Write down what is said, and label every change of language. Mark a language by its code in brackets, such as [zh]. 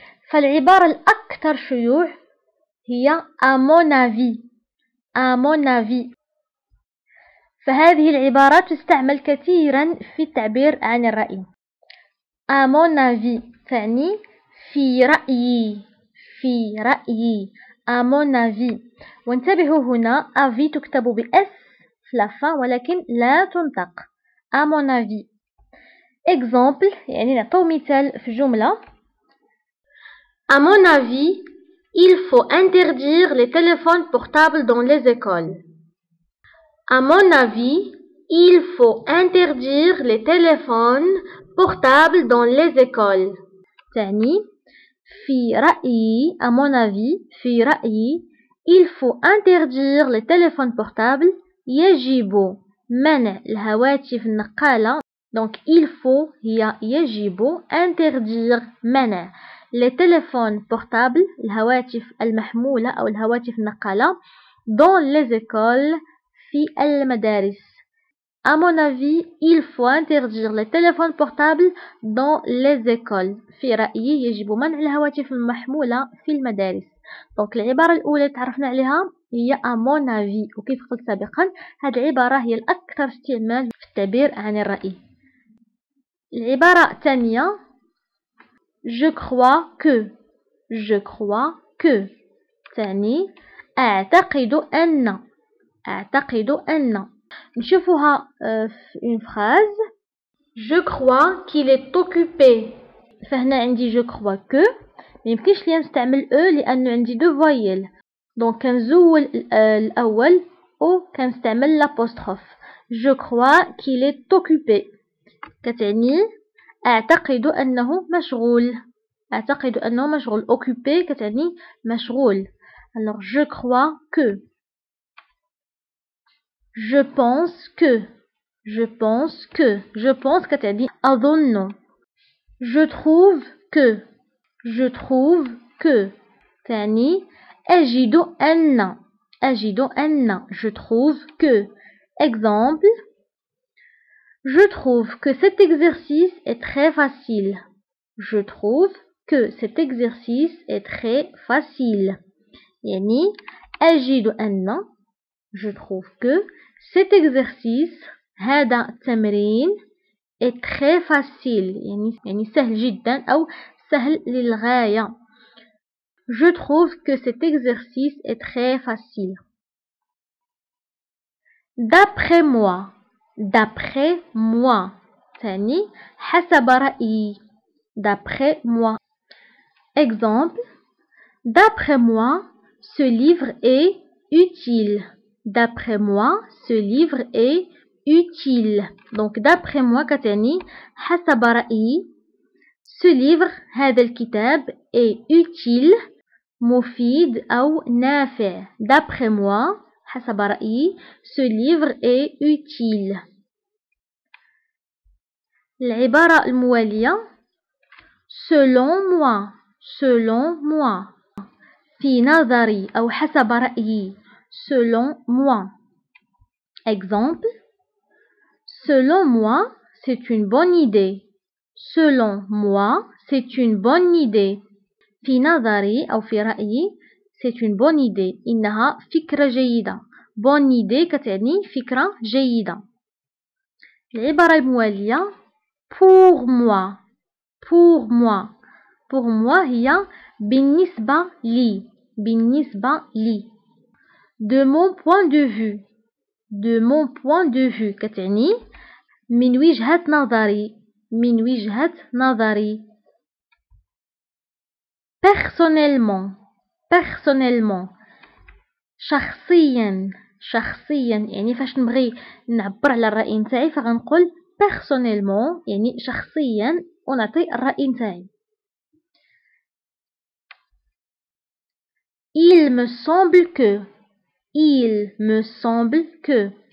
[ar] فالعبارة الأكثر شيوع هي [fr] à mon avis. à mon avis. [ar] فهذه العبارة تستعمل كثيرا في التعبير عن الرأي. [fr] à mon avis [ar] تعني في رأيي. في رأيي. [fr] à mon avis. [ar] وانتبهوا هنا، avis تكتب بS في لفة ولكن لا تنطق. [fr] à mon avis. [ar] Exemple, يعني نعطيو مثال في جملة. [fr] À mon avis, il faut interdire les téléphones portables dans les écoles. À mon avis, il faut interdire les téléphones portables dans les écoles. [ar] تعني في رأيي، [fr] à mon avis, [ar] في رأيي، [fr] il faut interdire les téléphones portables. [ar] يجب منع الهواتف النقالة. [fr] Donc il faut [ar] هي يجب [fr] interdire [ar] منع [fr] les téléphones portables [ar] الهواتف المحمولة أو الهواتف النقالة [fr] dans les écoles [ar] في المدارس. [fr] À mon avis il faut interdire les téléphones portables dans les écoles. [ar] في رأيي يجب منع الهواتف المحمولة في المدارس. Donc العبارة الأولى تعرفنا عليها هي [fr] à mon avis، [ar] وكيف قلت سابقا هذه العبارة هي الأكثر استعمال في التعبير عن الرأي. العبارة الثانية [fr] je crois que. je crois que [ar] تعني أعتقد أن. أعتقد أن. نشوفها في [fr] une phrase je crois qu'il est occupé. [ar] فهنا عندي [fr] je crois que، [ar] ميمكنش ليا نستعمل e لأنه عندي [fr] deux voyelles. [ar] دونك كنزول الأول أو كنستعمل l'apostrophe. [fr] je crois qu'il est occupé [ar] كتعني أعتقد أنه مشغول. أعتقد أنه مشغول. occupé كتعني مشغول. [fr] alors je crois que. je pense que. je pense que. je pense [ar] كتعني أظن. [fr] je trouve que. je trouve que [ar] تعني أجد أن. أجد أن. [fr] je trouve que. exemple je trouve que cet exercice est très facile. je trouve que cet exercice est très facile. [ar] يعني أجد أن. [fr] je trouve que cet exercice [ar] هذا التمرين [fr] est très facile. [ar] يعني سهل جدا أو سهل للغاية. [fr] je trouve que cet exercice est très facile. d'après moi. d'après moi [ar] تعني حسب رأيي. [fr] d'après moi. exemple d'après moi ce livre est utile. d'après moi ce livre est utile. donc d'après moi [ar] كتعني حسب رأيي. [fr] ce livre [ar] هذا الكتاب [fr] est utile [ar] مفيد أو نافع. [fr] d'après moi [ar] حسب رأيي [fr] ce livre est utile. [ar] العبارة الموالية [fr] selon moi. selon moi [ar] في نظري أو حسب رأيي. [fr] selon moi. exemple selon moi c'est une bonne idée. selon moi c'est une bonne idée. [ar] في نظري أو في رأيي [fr] c'est une bonne idée. [ar] إنها فكرة جيدة. [fr] bonne idée [ar] كتعني فكرة جيدة. العبارة الموالية [fr] pour moi. pour moi. pour moi [ar] هي بالنسبة لي. بالنسبة لي. [fr] de mon point de vue. de mon point de vue [ar] كتعني من وجهة نظري. من وجهة نظري. [fr] personnellement. [ar] personnellement شخصيا. شخصيا يعني فاش نبغي نعبر على الرأي نتاعي فغنقول personnellement يعني شخصيا ونعطي الرأي نتاعي. [fr] Il me semble que. Il me semble que.